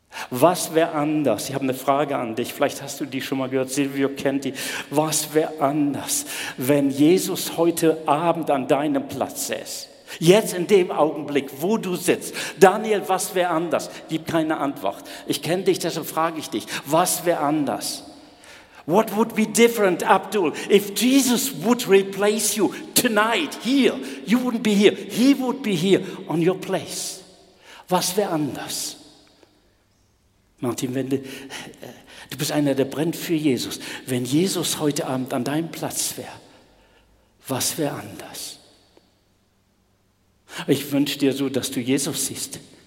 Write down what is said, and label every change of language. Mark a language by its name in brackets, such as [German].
[German] Was wäre anders? Ich habe eine Frage an dich. Vielleicht hast du die schon mal gehört. Silvio kennt die. Was wäre anders, wenn Jesus heute Abend an deinem Platz ist? Jetzt in dem Augenblick, wo du sitzt. Daniel, was wäre anders? Gib keine Antwort. Ich kenne dich, deshalb frage ich dich. Was wäre anders? [English] What would be different, Abdul, if Jesus would replace you tonight, here? You wouldn't be here. He would be here on your place. [German] Was wäre anders? Martin, du bist einer, der brennt für Jesus. Wenn Jesus heute Abend an deinem Platz wäre, was wäre anders? Ich wünsche dir so, dass du Jesus siehst.